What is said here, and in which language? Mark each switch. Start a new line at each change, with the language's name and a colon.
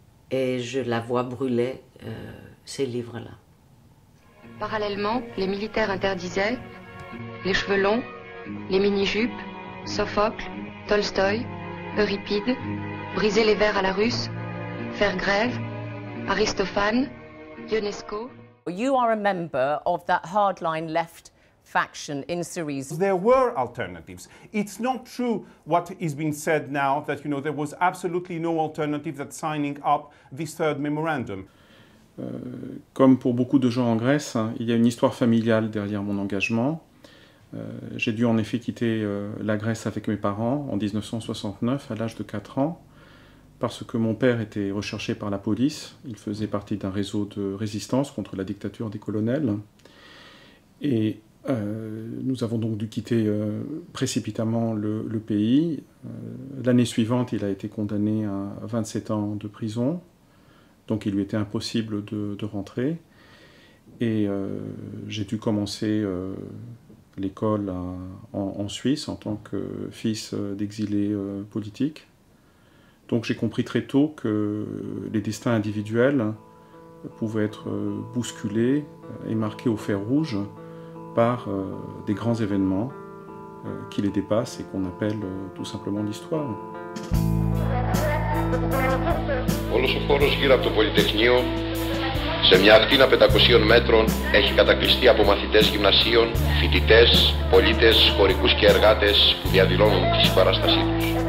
French: Et je la vois brûler ces livres-là. Parallèlement, les militaires interdisaient les cheveux longs, les mini-jupes, Sophocle, Tolstoï, Euripide, briser les verres à la russe, faire grève, Aristophane, Ionesco.
English: You are a member of that hardline left faction in Syriza. There were alternatives. It's not true what is being said now that, you know, there was absolutely no alternative than signing up this third memorandum.
French: Comme pour beaucoup de gens en Grèce, il y a une histoire familiale derrière mon engagement. J'ai dû en effet quitter la Grèce avec mes parents en 1969 à l'âge de 4 ans parce que mon père était recherché par la police. Il faisait partie d'un réseau de résistance contre la dictature des colonels. Et nous avons donc dû quitter précipitamment le pays. L'année suivante, il a été condamné à 27 ans de prison. Donc il lui était impossible de rentrer. Et j'ai dû commencer l'école en Suisse en tant que fils d'exilé politique. Donc j'ai compris très tôt que les destins individuels pouvaient être bousculés et marqués au fer rouge par des grands événements qui les dépassent et qu'on appelle tout simplement l'histoire.
Greek: Όλος ο χώρος γύρω από το Πολυτεχνείο σε μια ακτίνα 500 μέτρων έχει κατακλειστεί από μαθητές γυμνασίων, φοιτητές, πολίτες, χωρικούς και εργάτες που διαδηλώνουν τη συμπαράστασή τους.